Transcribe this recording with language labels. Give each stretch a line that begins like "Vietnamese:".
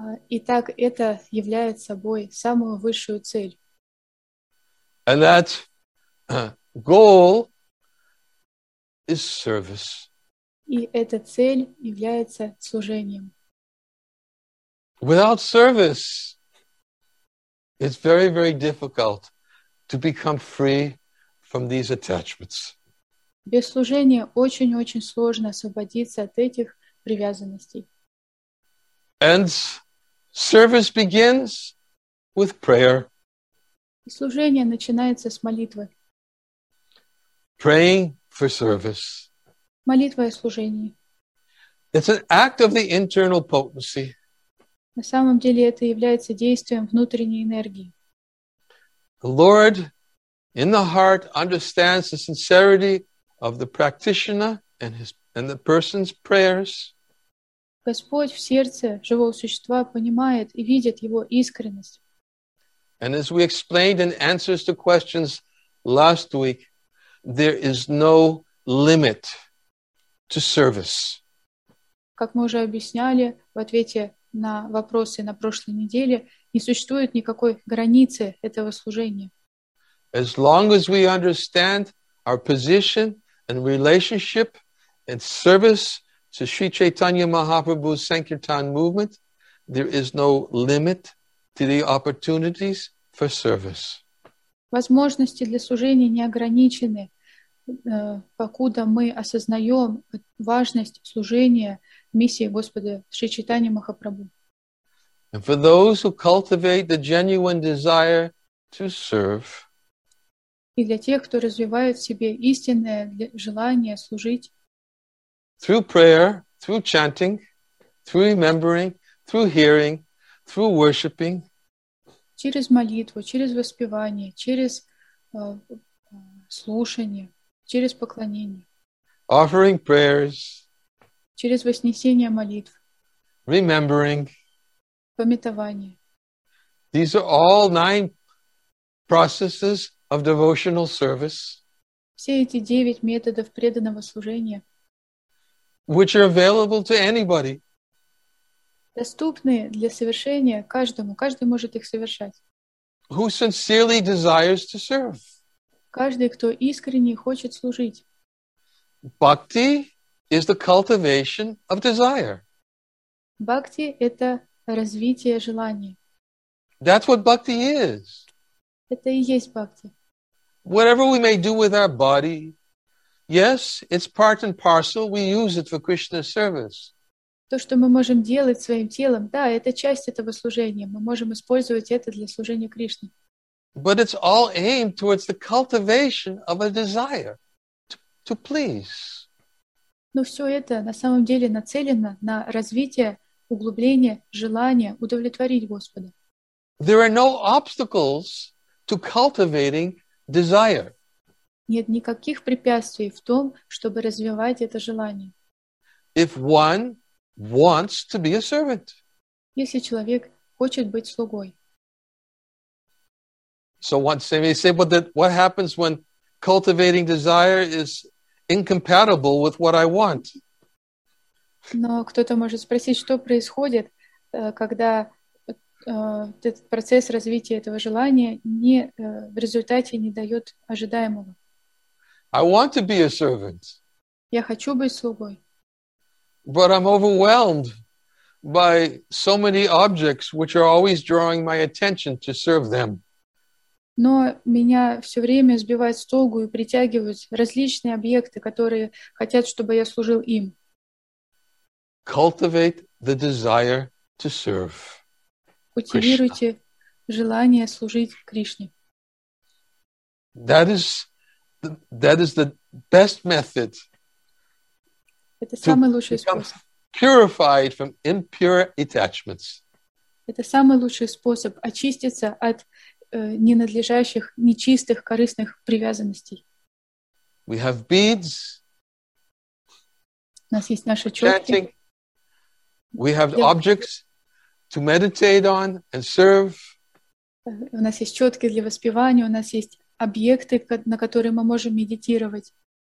Russian: Итак, это является собой самую высшую цель.
English: And that goal is service.
Russian: И эта цель является служением.
English: Without service, it's very, very difficult to become free from these attachments.
Russian: Без служения очень-очень сложно освободиться от этих привязанностей.
English: And service begins with prayer.
Russian: И служение начинается с молитвы.
English: Praying for service.
Russian: Молитва о служении.
English: It's an act of the internal potency.
Russian: На самом деле это является действием внутренней энергии.
English: The Lord in the heart understands the sincerity of the practitioner and the person's prayers.
Russian: Господь в сердце живого существа понимает и видит его искренность.
English: And as we explained in answers to questions last week, there is no limit to service.
Russian: Как мы уже объясняли в ответе на вопросы на прошлой неделе, не существует никакой границы этого служения.
English: As long as we understand our position and relationship and service to Sri Chaitanya Mahaprabhu's Sankirtan movement, there is no limit to the opportunities for service.
Russian: Возможности для служения не ограничены. Покуда мы осознаем важность служения миссии Господа Шри Чайтанья Махапрабху.
English: And for those who cultivate the genuine desire to serve,
Russian: и для тех, кто развивает в себе истинное желание служить,
English: through prayer, through chanting, through remembering, through hearing, through worshiping,
Russian: через молитву, через воспевание, через слушание, через поклонение.
English: Offering prayers.
Russian: Через вознесение молитв.
English: Remembering.
Russian: Памятование.
English: These are all nine processes of devotional service.
Russian: Все эти девять методов преданного служения.
English: Which are available to anybody.
Russian: Доступны для совершения каждому. Каждый может их совершать.
English: Who sincerely desires to serve.
Russian: Каждый, кто искренне хочет служить.
English: Bhakti is the cultivation of desire.
Russian: Бхакти – это развитие желания.
English: That's what bhakti is.
Russian: Это и есть бхакти.
English: Whatever we may do with our body, yes, it's part and parcel, we use it for Krishna's service.
Russian: То, что мы можем делать своим телом, да, это часть этого служения. Мы можем использовать это для служения Кришне.
English: But it's all aimed towards the cultivation of a desire to please.
Russian: Но все это на самом деле нацелено на развитие, углубление желания удовлетворить Господа.
English: There are no obstacles to cultivating desire.
Russian: Нет никаких препятствий в том, чтобы развивать это желание.
English: If one wants to be a servant.
Russian: Если человек хочет быть слугой.
English: So once they may say, but that what happens when cultivating desire is incompatible with what I want?
Russian: Но кто-то может спросить, что происходит, когда этот процесс развития этого желания не в результате не дает ожидаемого.
English: I want to be a servant.
Russian: Я хочу быть слугой.
English: But I'm overwhelmed by so many objects which are always drawing my attention to serve them.
Russian: Но меня все время сбивают с толку и притягивают различные объекты, которые хотят, чтобы я служил им.
English: Cultivate the desire to serve Krishna.
Russian: Культивируйте желание служить Кришне.
English: That is the best method
Russian: Это самый лучший
English: become
Russian: способ.
English: Purified from impure attachments.
Russian: Это самый лучший способ очиститься от ненадлежащих, нечистых, корыстных привязанностей.
English: We have beads.
Russian: У нас есть наши чётки.
English: We have objects to meditate on and serve.
Russian: У нас есть чётки для воспевания, у нас есть объекты, на которые мы можем медитировать.